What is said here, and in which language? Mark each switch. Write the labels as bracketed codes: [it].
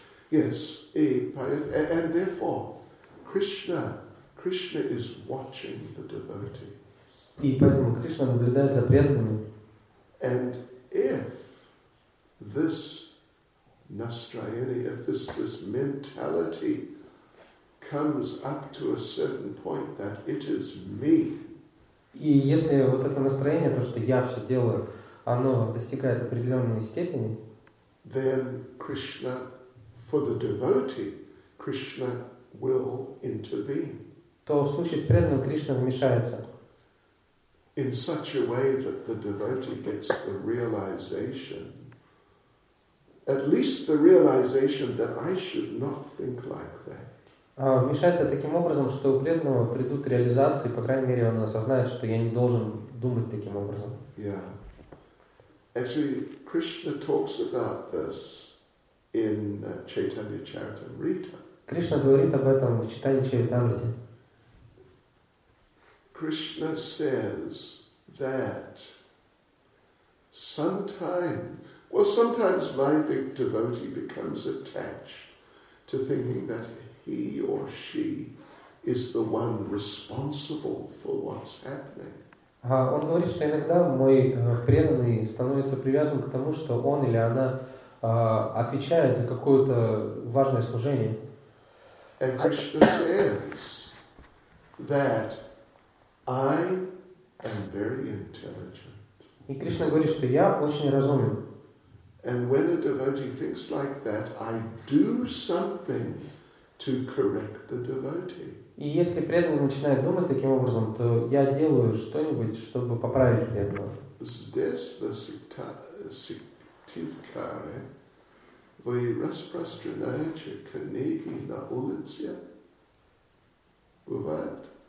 [en] Yes, and therefore, Krishna is watching the devotee. [ru] И поэтому Кришна наблюдает за преданными. [en] And if this [ru] настроение, [en] if this mentality comes up to a certain point that it is me, [ru] и если вот это настроение, то, что я все делаю, оно достигает определенной степени, [en] then Krishna, for the devotee, Krishna will intervene. [ru] То в случае с преданным Кришна вмешается. [en] In such a way that the devotee gets the realization, at least the realization that I should not think like that. [ru] Вмешается таким образом, что у преданного придут реализации, по крайней мере, он осознает, что я не должен думать таким образом. [en] Yeah. Actually, Krishna talks about this in Chaitanya Charitamrita. [ru] Кришна говорит об этом в Чайтанья Чаритамрите. [en] Krishna says that sometimes my big devotee becomes attached to thinking that he or she is the one responsible for what's happening. [ru] Он говорит, что иногда мой преданный становится привязан к тому, что он или она отвечает за какое-то важное служение. [en] And Krishna says that I am very intelligent. [ru] И Кришна говорит, что я очень разумен. [en] And when a devotee thinks like that, I do something to correct the devotee. [ru] И если преданный начинает думать таким образом, то я делаю что-нибудь, чтобы поправить преданного. Здесь сиктивкаре вы распространяете книги на улице. Бывает?